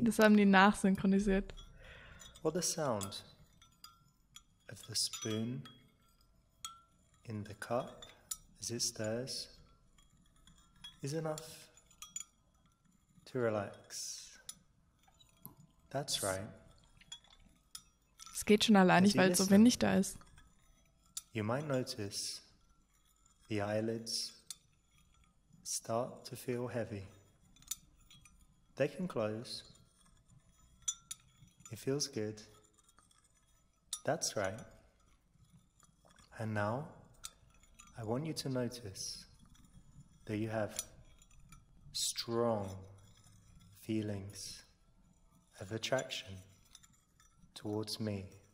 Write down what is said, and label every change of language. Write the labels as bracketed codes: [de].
[de] Das haben die nachsynchronisiert. [en] Or the sound of the spoon in the cup as it stirs is enough to relax. That's right. [de] Es geht schon alleinig, weil es so windig da ist. [en] You might notice the eyelids start to feel heavy. They can close. It feels good. That's right. And now, I want you to notice that you have strong feelings of attraction towards me.